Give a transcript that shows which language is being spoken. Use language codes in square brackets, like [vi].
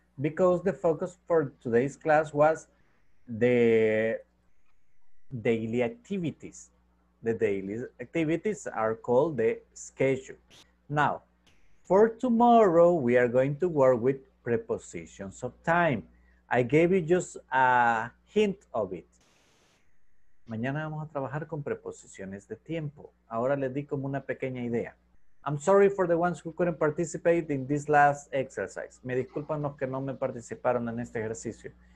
[en] Because the focus for today's class was the daily activities. The daily activities are called the schedule. Now, for tomorrow, we are going to work with prepositions of time. I gave you just a hint of it. [es] Mañana vamos a trabajar con preposiciones de tiempo. Ahora les di como una pequeña idea. [en] I'm sorry for the ones who couldn't participate in this last exercise. [es] Me disculpan los que no me participaron en este ejercicio.